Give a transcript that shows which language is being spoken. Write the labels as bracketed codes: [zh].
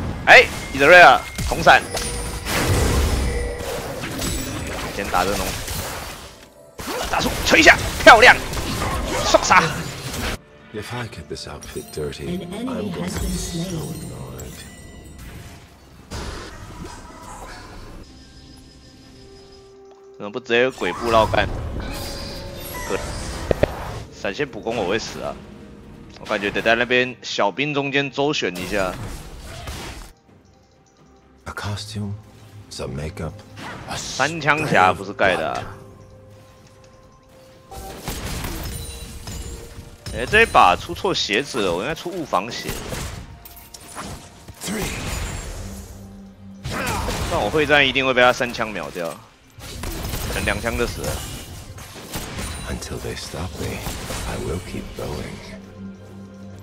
[zh] 哎，伊泽瑞尔，红闪，先打这龙，打出锤下，漂亮，双杀。 [en] If I get this outfit dirty, I'm going to be so annoyed. Why don't you just go with the ghost? Go. [zh] 闪现补攻我会死啊！我感觉得在那边小兵中间周旋一下。 [en] A costume, some makeup. [zh] 三枪侠不是盖的、啊。欸，这一把出错鞋子了，我应该出物防鞋。但我会战一定会被他三枪秒掉，可能两枪就死了。 [en] Until they stop me, I will keep going.